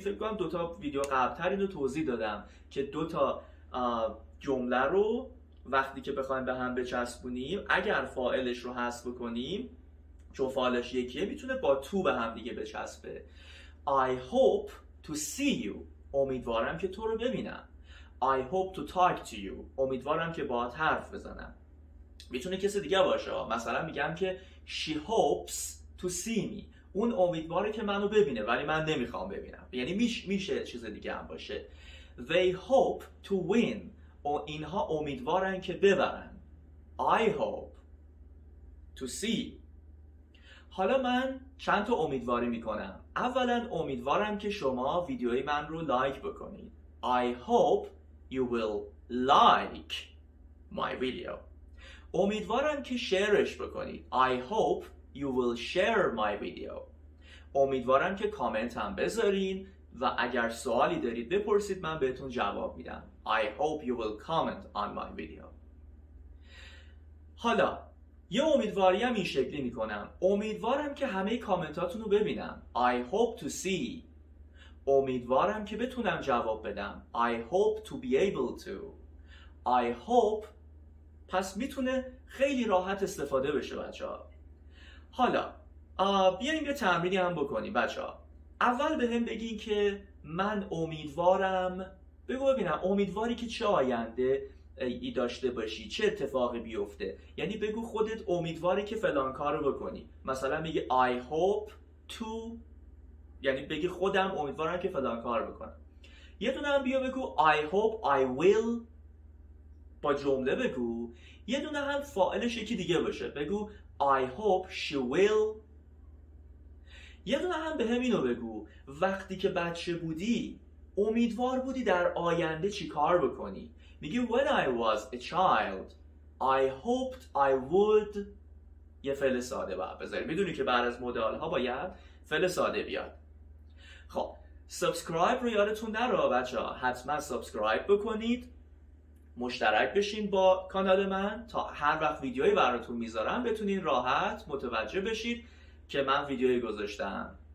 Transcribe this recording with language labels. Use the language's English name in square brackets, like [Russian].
[Persian] فکر کنم دو تا ویدیو قبلتر اینو توضیح دادم که دو تا جمله رو وقتی که بخوایم به هم بچسبونیم، اگر فاعلش رو حذف بکنیم چون فاعلش یکیه، میتونه با تو به هم دیگه بچسبه. [English] I hope to see you. [Persian] امیدوارم که تو رو ببینم. [English] I hope to talk to you. [Persian] امیدوارم که باهات حرف بزنم. میتونه کسی دیگه باشه. مثلا میگم که [English] she hopes to see me. [Persian] اون امیدواره که منو ببینه ولی من نمیخوام ببینم. یعنی میشه چیز دیگه هم باشه. [English] They hope to win. [Persian] اینها امیدوارن که ببرن. [English] I hope to see. [Persian] حالا من چند تا امیدواری میکنم. اولا امیدوارم که شما ویدیوی من رو لایک بکنید. [English] I hope you will like my video. [Persian] امیدوارم که شیرش بکنید. [English] I hope you will share my video. [Persian] امیدوارم که کامنت هم بذارین و اگر سوالی دارید بپرسید، من بهتون جواب میدم. [English] I hope you will comment on my video. [Persian] حالا یه امیدواری هم این شکلی میکنم. امیدوارم که همه کامنتاتون رو ببینم. [English] I hope to see. [Persian] امیدوارم که بتونم جواب بدم. [English] I hope to be able to. [Persian] I hope پس میتونه خیلی راحت استفاده بشه بچه ها. حالا بیاییم یه تمرینی هم بکنیم بچه ها. اول به هم بگین که من امیدوارم، بگو ببینم امیدواری که چه آینده، ای داشته باشی، چه اتفاقی بیفته. یعنی بگو خودت امیدواری که فلان کار رو بکنی، مثلا بگی I hope to، یعنی بگی خودم امیدوارم که فلان کار بکنم. یه دونه هم بیا بگو I hope I will، با جمله بگو. یه دونه هم فاعلش یکی دیگه باشه، بگو [English] I hope she will. [Persian] یه دونه هم به همینو بگو، وقتی که بچه بودی امیدوار بودی در آینده چی کار بکنی. میگی [English] When I was a child I hoped I would. [Persian] یه فعل ساده باید بذاری، میدونی که بعد از مدال ها باید فعل ساده بیاد. خب سابسکرایب رو یادتون در رو بچه ها، حتما سابسکرایب بکنید، مشترک بشین با کانال من تا هر وقت ویدیوی براتون میذارم بتونین راحت متوجه بشید که من ویدیوی گذاشتم.